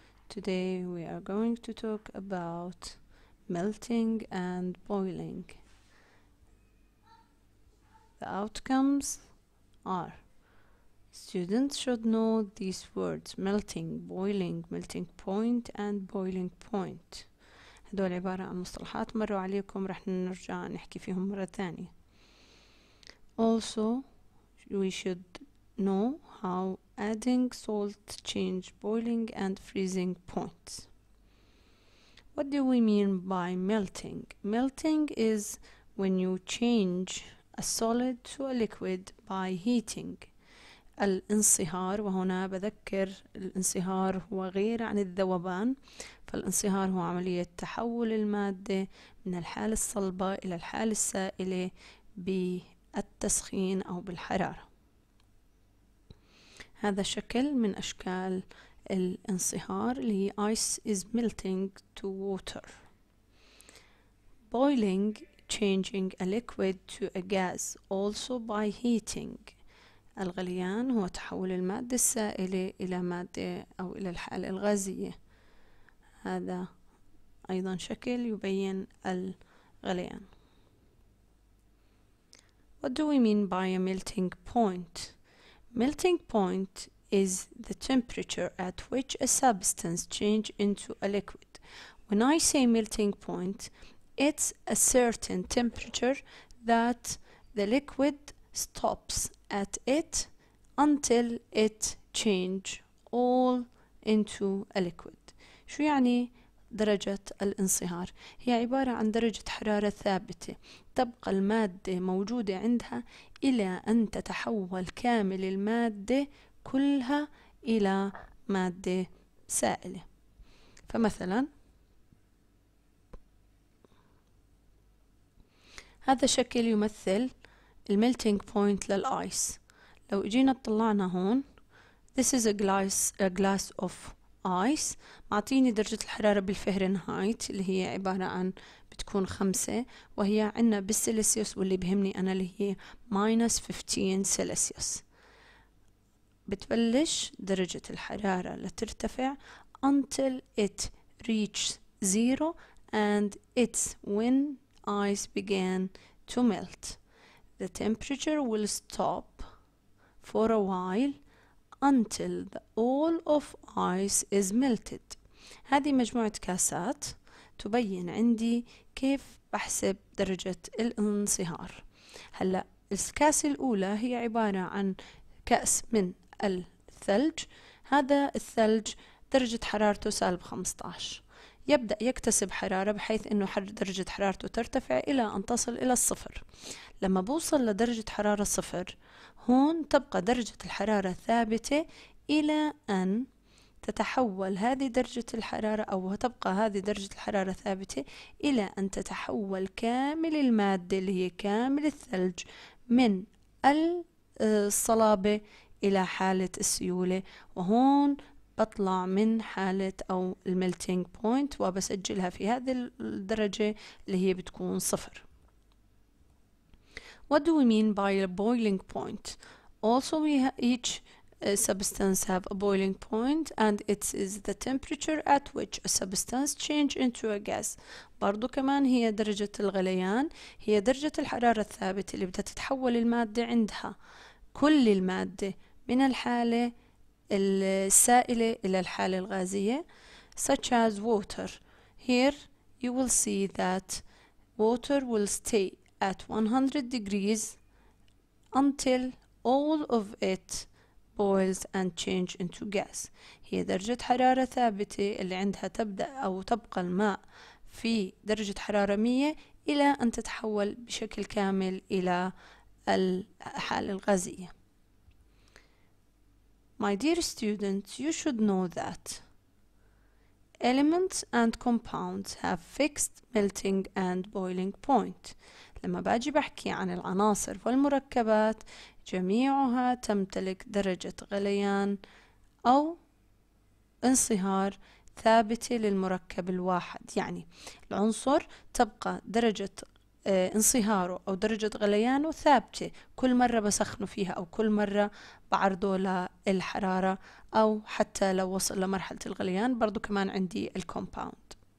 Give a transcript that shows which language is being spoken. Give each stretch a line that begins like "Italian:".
English: Today we are going to talk about melting and boiling. The outcomes are, students should know these words, melting, boiling, melting point and boiling point.
Arabic: هدول عبارة عن مصطلحات مروا عليكم رح نرجع نحكي فيهم مرة ثانية.
English: Also, we should know how adding salt change boiling and freezing points. What do we mean by melting? Melting is when you change a solid to a liquid by heating.
Arabic: الانصهار وهنا بذكر الانصهار هو غير عن الذوبان فالانصهار هو عملية تحول المادة من الحالة الصلبة إلى الحالة السائلة بالتسخين أو بالحرارة. هذا شكل من أشكال الانصهار اللي هي
English: ice is melting to water. Boiling, changing a liquid to a gas, also by heating.
Arabic: الغليان هو تحول المادة السائلة إلى مادة أو إلى الحالة الغازية. هذا أيضا شكل يبين الغليان.
English: What do we mean by a melting point? Melting point is the temperature at which a substance changes into a liquid. When I say melting point, it's a certain temperature that the liquid stops at it until it changes all into a liquid.
Arabic: شو يعني درجة الانصهار؟ هي عبارة عن درجة حرارة ثابتة تبقى المادة موجودة عندها إلى أن تتحول كامل المادة كلها إلى مادة سائلة. فمثلا هذا شكل يمثل الميلتينج بوينت للآيس. لو جينا طلعنا هون
English: This is a glass of ice.
Arabic: معطيني درجة الحرارة بالفهرنهايت اللي هي عبارة عن بتكون 5 وهي عنا بالسلسيوس واللي بهمني أنا اللي هي
English: minus 15
Arabic: سلسيوس. بتبلش درجة الحرارة لترتفع
English: until it reaches zero and it's when ice began to melt. The temperature will stop for a while until all of ice is melted.
Arabic: هذه مجموعة كاسات تبين عندي كيف بحسب درجة الانصهار. هلأ الكاسة الأولى هي عبارة عن كأس من الثلج. هذا الثلج درجة حرارته سالب 15. يبدأ يكتسب حرارة بحيث أنه درجة حرارته ترتفع إلى أن تصل إلى الصفر. لما بوصل لدرجة حرارة صفر هون تبقى درجة الحرارة ثابتة إلى أن تتحول هذه درجة الحرارة أو تبقى هذه درجة الحرارة ثابتة إلى أن تتحول كامل المادة اللي هي كامل الثلج من الصلابة إلى حالة السيولة وهون بطلع من حالة أو الميلتينج بوينت وبسجلها في هذه الدرجة اللي هي بتكون صفر.
English: What do we mean by a boiling point? Also, each substance have a boiling point, and it is the temperature at which a substance change into a gas.
Arabic: برضو كمان هي درجة الغليان هي درجة الحرارة الثابتة اللي بدها تتحول المادة عندها كل المادة من الحالة السائلة إلى الحالة الغازية
English: such as water. Here you will see that water will stay at 100 degrees until all of it boils and change into gas.
Arabic: هي درجة حرارة ثابتة اللي عندها تبدأ أو تبقى الماء في درجة حرارة 100 إلى أن تتحول بشكل كامل إلى الحالة الغازية.
English: My dear students, you should know that elements and compounds have fixed melting and boiling point.
Arabic: لما باجي بحكي عن العناصر والمركبات جميعها تمتلك درجة غليان أو انصهار ثابتة للمركب الواحد. يعني العنصر تبقى درجة انصهاره أو درجة غليانه ثابتة، كل مرة بسخنه فيها أو كل مرة بعرضه للحرارة، أو حتى لو وصل لمرحلة الغليان برضو كمان عندي الكومباوند.